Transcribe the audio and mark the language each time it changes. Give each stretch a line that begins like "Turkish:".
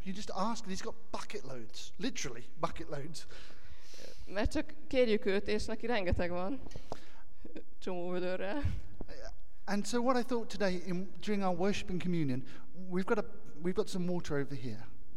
English: You just ask, and he's got bucket loads, literally bucket loads.
Hungarian: Mert csak kérjük őt, és neki rengeteg van. Csomó vödörrel.
English: And so what I thought today during our worship and communion, we've got some water over here.